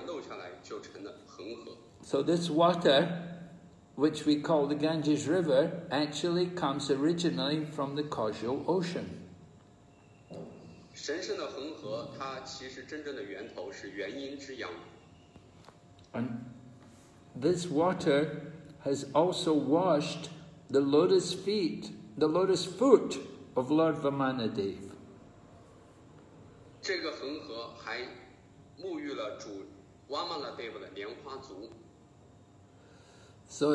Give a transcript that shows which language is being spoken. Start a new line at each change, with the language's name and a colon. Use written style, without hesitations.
Chinese: 有几滴水呢，就从元阴之阳顺着这个洞给漏了下来，这个水从元阴之阳漏下来就成了恒河。
English: So this water, which we call the Ganges River, actually comes originally from the causal ocean.
Chinese: 神圣的恒河，它其实真正的源头是元阴之阳。
English: And this water has also washed the lotus feet, the lotus foot of Lord Vamanadev.
Chinese: 这个恒河还沐浴了主Vamanadev的莲花足。
English: So